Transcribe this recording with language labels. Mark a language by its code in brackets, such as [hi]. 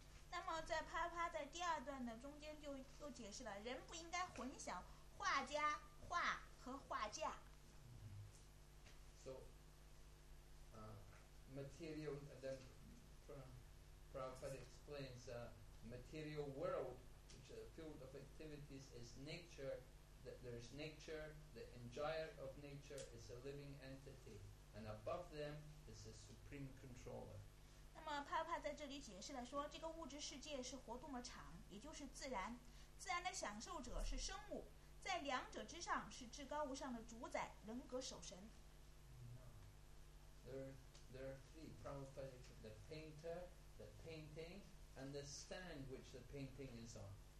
[zh] 那么在啪啪在第二段的中间就又解释了，人不应该混淆画家画和画架。 [en] So, material. Then, Prabhupada explains the material world, which is a field of activities, is nature. That there is nature. The enjoyer of nature is a living entity, and above them is the supreme controller. [zh] 那么帕帕在这里解释了说，这个物质世界是活动的场，也就是自然。自然的享受者是生物，在两者之上是至高无上的主宰，人格守神。 [en] There are three properties: the painter, the painting, and the stand which the painting is on.